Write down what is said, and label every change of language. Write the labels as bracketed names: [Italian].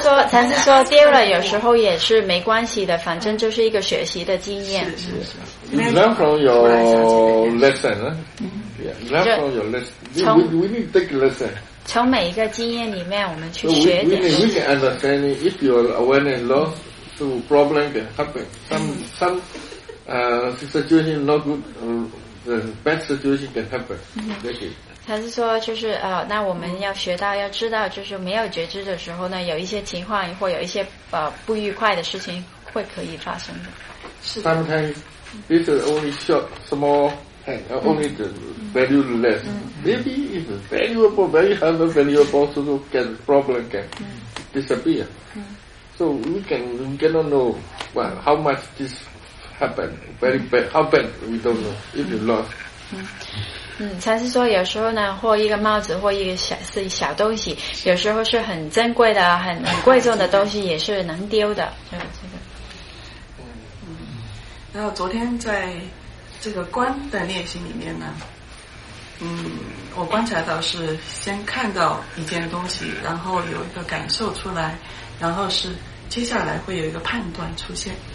[Chinese] 才是说丢了有时候也是没关系的，反正就是一个学习的经验。 [English] You learn from your lesson, Yeah, learn from your lesson. We need to take a lesson. [Chinese] 从每一个经验里面我们去学点。 [English] We can understand if you're aware and lost, so problem can happen. Some situation not good, the bad situation can happen. Thank you. [Chinese] 他是说，就是那我们要学到，要知道，就是没有觉知的时候呢，有一些情况或有一些不愉快的事情会可以发生的。 [English] Sometimes this is only short, small, and only the value less. Maybe if valuable, very hard, valuable, so can problem can disappear. So we cannot know how much this happened. Very bad, how bad we don't know if you lost. [Chinese] 才是说有时候呢，或一个帽子，或一个小东西，有时候是很珍贵的、很贵重的东西，也是能丢的。然后昨天在这个观的练习里面呢，我观察到是先看到一件东西，然后有一个感受出来，然后是接下来会有一个判断出现。